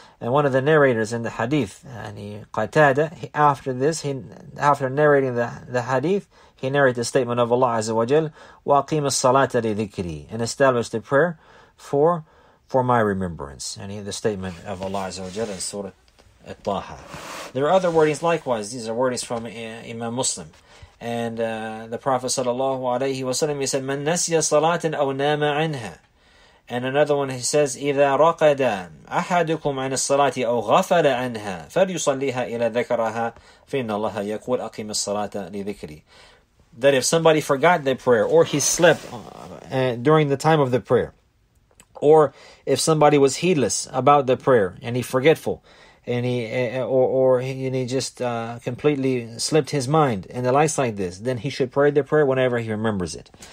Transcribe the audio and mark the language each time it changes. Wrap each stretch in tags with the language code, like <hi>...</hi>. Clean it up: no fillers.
<en>And one of the narrators in the hadith, Qatada, after narrating the hadith, he narrated the statement of Allah Azza wa Jal,</en> <ar>وَقِيمَ الصَّلَاةَ لِذِكْرِي,</ar> <en>and established the prayer for my remembrance. And the statement of Allah Azza wa Jal in Surah At-Taha. There are other wordings likewise. These are wordings from Imam Muslim. And the Prophet sallallahu alayhi wa sallam, he said,</en> <ar>مَن نَسِيَ صَلَاةً أَوْ نَامَ عَنْهَا.</ar> <en>And another one, he says,</en> <ar>إِذَا رَقَدَ أَحَدُكُمْ عَنِ الصَّلَاةِ أَوْ غَفَلَ عَنْهَا فَلْيُصَلِّهَا إِلَى ذَكَرَهَا فَإِنَّ اللَّهَ يَقُولَ أَقِيمَ الصَّلَاةَ لِذِكْرِي.</ar> <en>That if somebody forgot the prayer, or he slept during the time of the prayer, or if somebody was heedless about the prayer, and he forgetful, and he just completely slipped his mind, and the likes like this, then he should pray the prayer whenever he remembers it.</en>